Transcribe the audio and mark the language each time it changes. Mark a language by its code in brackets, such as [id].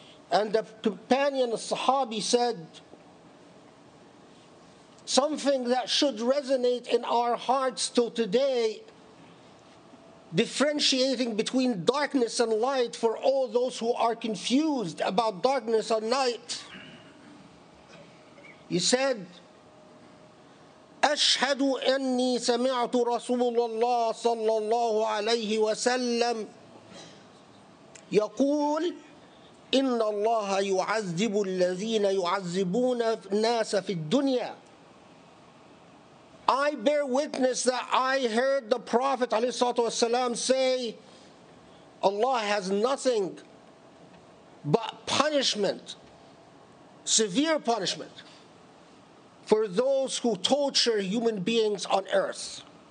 [en] And the companion, the Sahabi, said something that should resonate in our hearts till today, differentiating between darkness and light for all those who are confused about darkness and night. He said, [ar] أشهد أني سمعت رسول الله صلى الله عليه وسلم يقول إن الله يعذب الذين يعذبون الناس في الدنيا. [en] I bear witness that I heard the Prophet ﷺ say, Allah has nothing but punishment, severe punishment, for those who torture human beings on earth.